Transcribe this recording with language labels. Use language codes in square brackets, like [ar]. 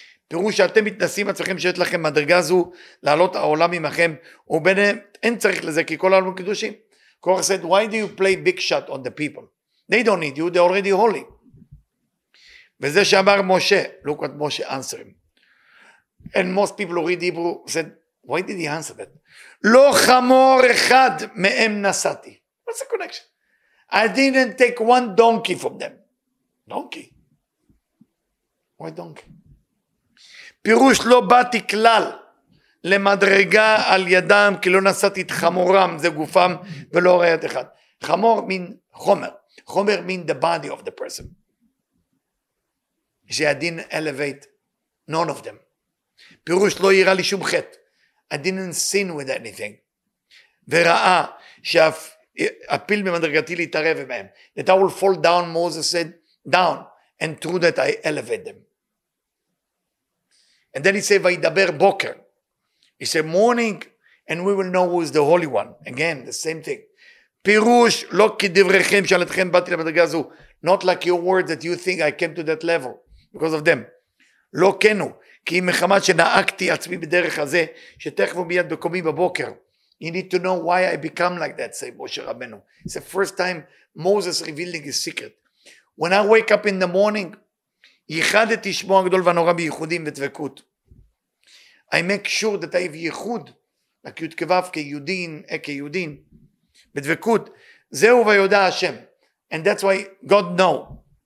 [he] תראו שאתם מתנסים עצמכם שיש לכם מדרגה זו לעלות העולם עמכם, וביניהם אין צריך לזה כי כל העולם קדושים. [en] Korach said, why do you play big shot on the people? They don't need you, they're already holy. [he] וזה שאמר משה, [en] look what Moshe answered him. And most people who read Hebrew said, why did he answer that? [he] לא חמור אחד מהם נסעתי. What's the connection? [en] I didn't take one donkey from them. Donkey? Why donkey? [he] פירוש לא באתי כלל למדרגה על ידם, כי לא נסעתי את חמורם, זה גופם, ולא ראית אחד. חמור מין חומר. חומר מין [en] the body of the person. I didn't elevate none of them. [he] פירוש לא יראה לי שום חטא. [en] I didn't sin with anything. [he] וראה שאפיל ממדרגתי להתערב מהם. [en] That I will fall down, Moses said, down, and through that I elevate them. And then he said, [he] וידבר בוקר. [en] He said, morning, and we will know who is the Holy One. Again, the same thing. [he] פירוש לא כדבריכם שאלתכם באתי למדרגה הזו. [en] Not like your word that you think I came to that level. Because of them. [he] לא כנו, כי אם מחמת שנהגתי עצמי בדרך הזה, שתכף ומיד בקומי בבוקר. [en] You need to know why I become like that, say משה רבנו. It's the first time Moses revealing his secret. When I wake up in the morning, [he] ייחדתי שמו הגדול והנורא בייחודים ודבקות. [en] I make sure that I have ייחוד, like [he] יתקבב כיהודין, כיהודין, בדבקות. זהו ויודע השם. [en] And that's why God know.